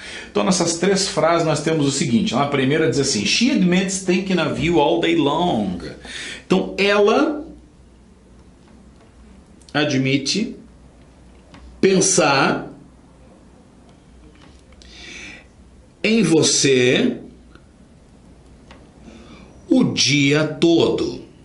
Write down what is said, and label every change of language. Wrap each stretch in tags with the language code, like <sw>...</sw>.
<pt>Então, nessas três frases, nós temos o seguinte. Na primeira diz assim.</pt> <en>She admits thinking of you all day long.</en> <pt>Então, ela admite pensar em você o dia todo.</pt>